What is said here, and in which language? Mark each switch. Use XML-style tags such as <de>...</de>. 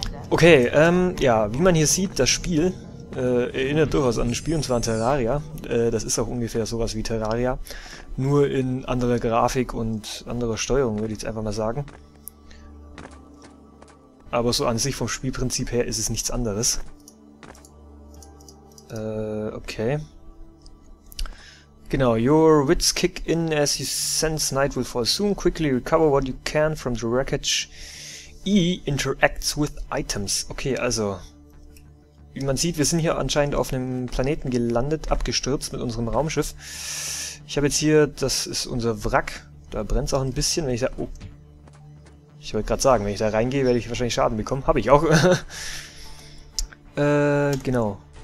<de>Okay, ja, wie man hier sieht, das Spiel. Erinnert durchaus an ein Spiel, und zwar an Terraria. Das ist auch ungefähr sowas wie Terraria. Nur in anderer Grafik und anderer Steuerung, würde ich jetzt einfach mal sagen. Aber so an sich vom Spielprinzip her ist es nichts anderes. Okay. Genau,</de> <en>your wits kick in as you sense night will fall soon. Quickly recover what you can from the wreckage. E interacts with items. Okay, also...</en> <de>Wie man sieht, wir sind hier anscheinend auf einem Planeten gelandet, abgestürzt mit unserem Raumschiff. Ich habe jetzt hier, das ist unser Wrack. Da brennt es auch ein bisschen, wenn ich sage, oh, Ich wollte gerade sagen, wenn ich da reingehe, werde ich wahrscheinlich Schaden bekommen. Habe ich auch. genau.</de>